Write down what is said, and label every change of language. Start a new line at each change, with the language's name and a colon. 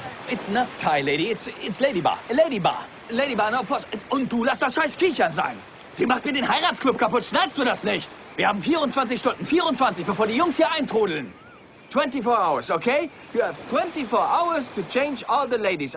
English: It's not Thai lady, it's Lady Bar, no, plus.
German: Und du lass das scheiß Kichern sein. Sie macht mir den Heiratsclub kaputt, schnallst du das nicht? Wir haben 24 Stunden, 24, bevor die Jungs hier eintrudeln.
English: 24 hours, okay? You have 24 hours to change all the ladies.